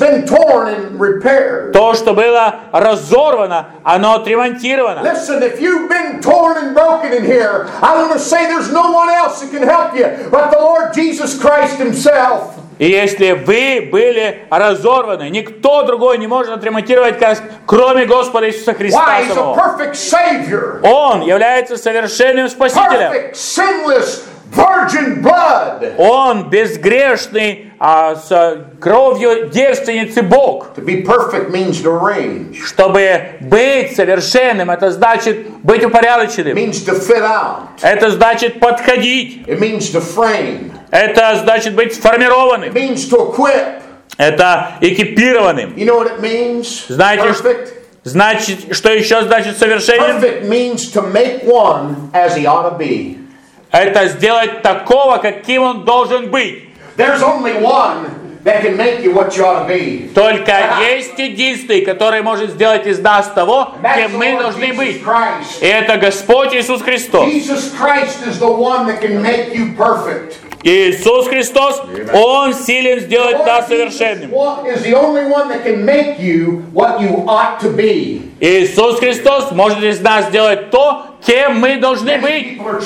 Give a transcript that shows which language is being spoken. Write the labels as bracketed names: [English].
[Russian] То, что было разорвано, оно отремонтировано. [English] Listen, if you've been torn and broken in here, I want to say there's no one else that can help you but the Lord Jesus Christ Himself. [Russian] И если вы были разорваны, никто другой не может отремонтировать, кроме Господа Иисуса Христа. [English] Why? He's a perfect savior. [Russian] Он является совершенным спасителем. [English] Perfect, sinless, virgin blood. [Russian] Он безгрешный, с кровью девственницы Бог. [English] To be perfect means to arrange. [Russian] Чтобы быть совершенным, это значит быть упорядоченным. [English] It means to fit out. [Russian] Это значит подходить. [English] It means to frame. [Russian] Это значит быть сформированным. [English] It means to equip. [Russian] Это экипированным. [English] You know what it means? [Russian] Знаете, [English] perfect. [Russian] Значит, что еще значит совершенным? [English] Perfect means to make one as he ought to be. [Russian] Это сделать такого, каким он должен быть. [English] There's only one that can make you what you ought to be. [Russian] Только есть единственный, который может сделать из нас того, кем мы должны быть. И это Господь Иисус Христос. [English] Jesus Christ is the one that can make you perfect. [Russian] Иисус Христос, Он силен сделать нас совершенным. Иисус Христос может из нас сделать то, кем мы должны быть.